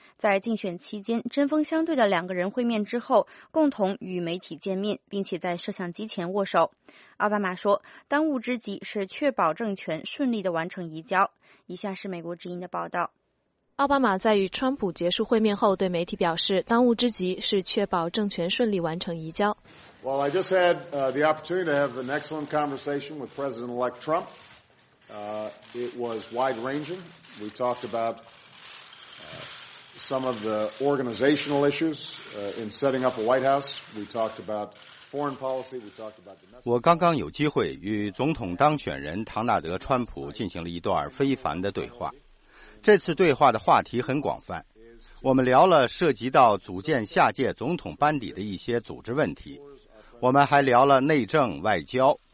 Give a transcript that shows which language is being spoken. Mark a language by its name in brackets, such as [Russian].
[Chinese] 在竞选期间针锋相对的两个人会面之后，共同与媒体见面，并且在摄像机前握手。奥巴马说，当务之急是确保政权顺利地完成移交。以下是美国之音的报道。奥巴马在与川普结束会面后对媒体表示，当务之急是确保政权顺利完成移交。 [English] Well, I just had the opportunity to have an excellent conversation with President-elect Trump. It was wide-ranging. We talked about some of the organizational issues in setting up a White House. We talked about foreign policy. We talked about the message. [Chinese] 我刚刚有机会与总统当选人唐纳德·川普进行了一段非凡的对话。这次对话的话题很广泛，我们聊了涉及到组建下届总统班底的一些组织问题，我们还聊了内政外交。